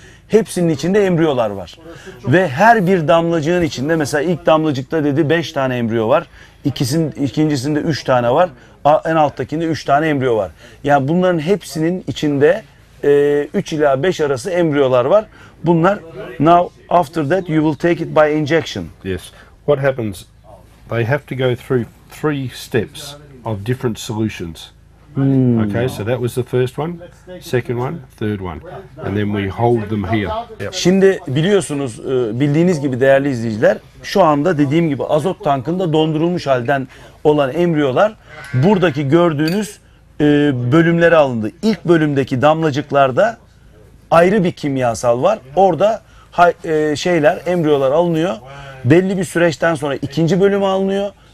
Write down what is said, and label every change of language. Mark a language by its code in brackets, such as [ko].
[tr] Hepsinin içinde embriyolar var. Ve her bir damlacığın içinde, mesela ilk damlacıkta dedi 5 tane embriyo var. İkincisinde 3 tane var. En alttakinde 3 tane embriyo var. Yani bunların hepsinin içinde 3 ila 5 arası embriyolar var. Bunlar, [en] now after that you will take it by injection. Yes. What happens? They have to go through 3 steps of different solutions. Hmm. Okay, so that was the first one, second one, third one, and then we hold them here. Yep. [tr] Şimdi biliyorsunuz, bildiğiniz gibi değerli izleyiciler, şu anda dediğim gibi azot tankında dondurulmuş halden olan embriyolar buradaki gördüğünüz bölümlere alındı. İlk bölümdeki damlacıklarda ayrı bir kimyasal var. Orada embriyolar alınıyor. Belli bir süreçten sonra ikinci bölümü alınıyor.